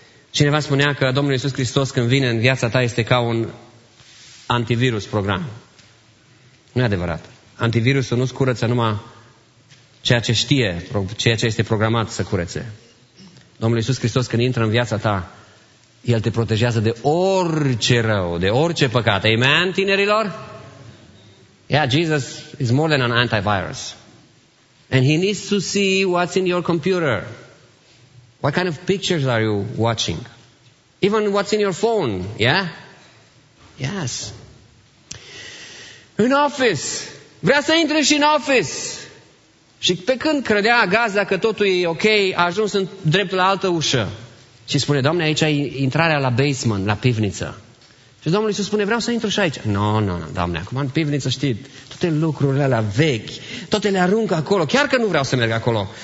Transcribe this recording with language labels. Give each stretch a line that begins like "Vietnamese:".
Romanian: Cineva spunea că Domnul Iisus Hristos când vine în viața ta este ca un antivirus program. Nu e adevărat. Antivirusul nu-ți curăță numai ceea ce știe, ceea ce este programat să curețe. Domnul Iisus Hristos când intră în viața ta, El te protejează de orice rău, de orice păcat. Amen, tinerilor?
English: Yeah, Jesus is more than an antivirus. And he needs to see what's in your computer. What kind of pictures are you watching? Even what's in your phone, yeah? Yes. In office.
Romanian: Vrea să intre și în office. Și pe când credea gazda că totul e ok, a ajuns în drept la altă ușă. Și spune, Doamne, aici e intrarea la basement, la pivniță. Și Domnul Iisus spune, vreau să intru și aici. Nu, Doamne, acum în pivniță știi, toate lucrurile alea vechi, toate le arunc acolo, chiar că nu vreau să merg acolo.